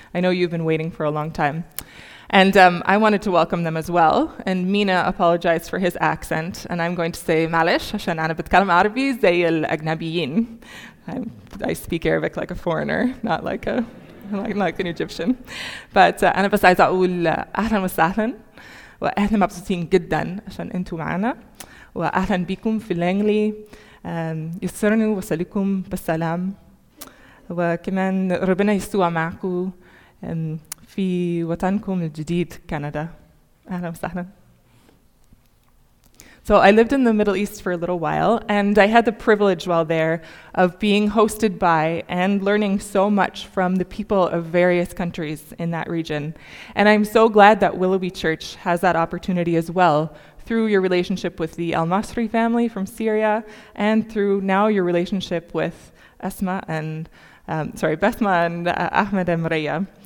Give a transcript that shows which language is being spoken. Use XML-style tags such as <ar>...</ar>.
<en>I know you've been waiting for a long time. And I wanted to welcome them as well. And Mina apologized for his accent, and I'm going to say Malish,</en> <ar>عشان أنا بتكلم عربي زي الأجنبيين.</ar> <en>I speak Arabic like a foreigner, not like like an Egyptian. But</en> <ar>أنا بس عايز أقول أهلاً وسهلاً. وأهلا مبسوطين جدا عشان أنتوا معنا وأهلا بكم في الإنجلي يسرني وصلكم بالسلام وكمان ربنا يسوع معكم في وطنكم الجديد كندا أهلا وسهلا.</ar> <en>So I lived in the Middle East for a little while, and I had the privilege while there of being hosted by and learning so much from the people of various countries in that region. And I'm so glad that Willoughby Church has that opportunity as well through your relationship with the Al-Masri family from Syria and through now your relationship with Basma and Ahmed and Maria.</en>